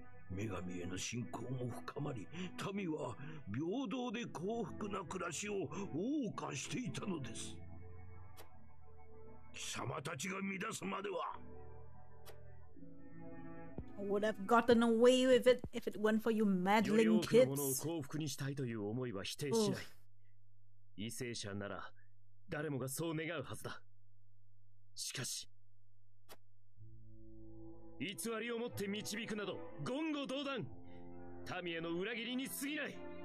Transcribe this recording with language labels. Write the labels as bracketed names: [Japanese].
[Japanese] 女神への信仰も深まり、民は平等で幸福な暮らしを謳歌していたのです。貴様たちが乱すまでは。 [English] I would have gotten away with it if it weren't for you meddling kids. [Japanese] より多くのものを幸福にしたいという思いは否定しない。異性者なら誰もがそう願うはずだ。しかし、偽りをもって導くなど言語道断、民への裏切りに過ぎない。